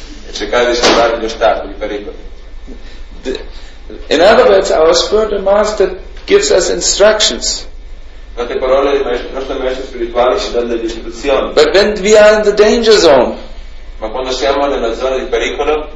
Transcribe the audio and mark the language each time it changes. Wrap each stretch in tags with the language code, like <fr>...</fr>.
<it>E cercare di salvare gli ostacoli, i pericoli.</it> <en>In other words, our spiritual master gives us instructions.</en> <it>Queste parole del nostro maestro spirituale ci danno delle istruzioni.</it> <en>But when we are in the danger zone,</en> <it>ma quando siamo nella zona di pericolo,</it>